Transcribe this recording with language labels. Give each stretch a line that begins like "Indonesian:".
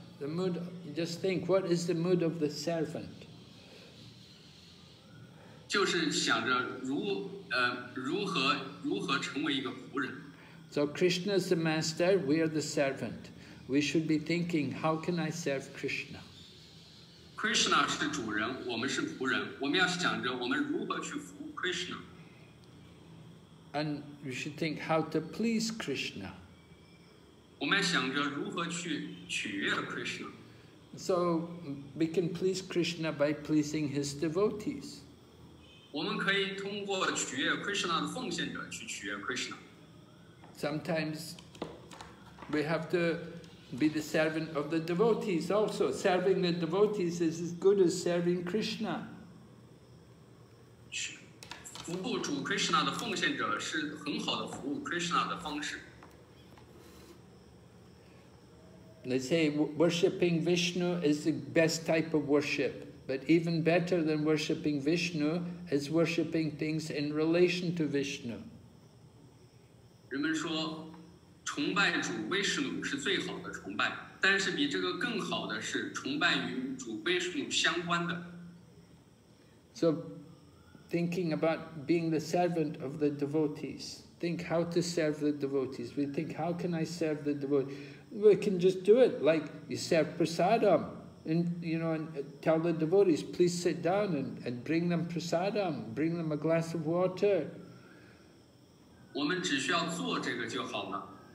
English: The mood, just think, what is the mood of the servant?
Chinese: 就是想着如何成为一个仆人。
English: So Krishna is the master, we are the servant. We should be thinking, how can I serve Krishna?
Chinese: Krishna 是主人，我们是仆人。我们要想着我们如何去服务 Krishna，
English: and you should think how to please Krishna.
Chinese: 我们要想着如何去取悦 Krishna.
English: So we can please Krishna by pleasing his devotees.
Chinese: 我们可以通过取悦 Krishna 的奉献者去取悦 Krishna.
English: Sometimes we have to be the servant of the devotees also. Serving the devotees is as good as serving Krishna.
Chinese: 服务主 Krishna 的奉献者是很好的服务 Krishna 的方式。
English: They say worshipping Vishnu is the best type of worship, but even better than worshipping Vishnu is worshipping things in relation to Vishnu.
Chinese: 人们说, 崇拜主威士努是最好的崇拜，但是比这个更好的是崇拜与主威士努相关的。
English: So, thinking about being the servant of the devotees, think how to serve the devotees. We think, how can I serve the devotees? We can just do it like you serve prasadam, and you know, and tell the devotees, please sit down and bring them prasadam, bring them a glass of water.
Chinese: 我们只需要做这个就好了。